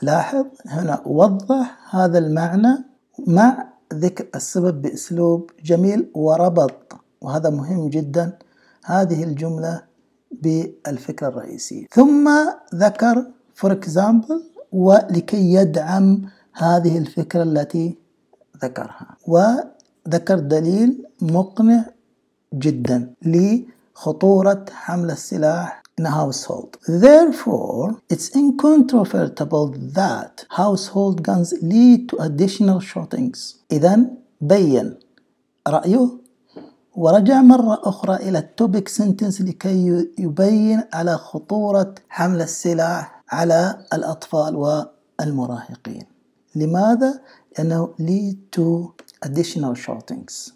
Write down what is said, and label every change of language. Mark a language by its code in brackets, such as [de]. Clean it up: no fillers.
[ar] لاحظ هنا وضح هذا المعنى مع ذكر السبب بأسلوب جميل وربط، وهذا مهم جدا، هذه الجملة بالفكرة الرئيسية. ثم ذكر for example ولكي يدعم هذه الفكرة التي ذكرها، وذكر دليل مقنع جدا لخطورة حمل السلاح [en] in a household. Therefore, it's incontrovertible that household guns lead to additional shootings. [ar] إذن بيّن رأيه ورجع مرة أخرى إلى topic sentence لكي يبين على خطورة حمل السلاح على الأطفال والمراهقين. لماذا؟ لأنه [en] lead to additional shootings.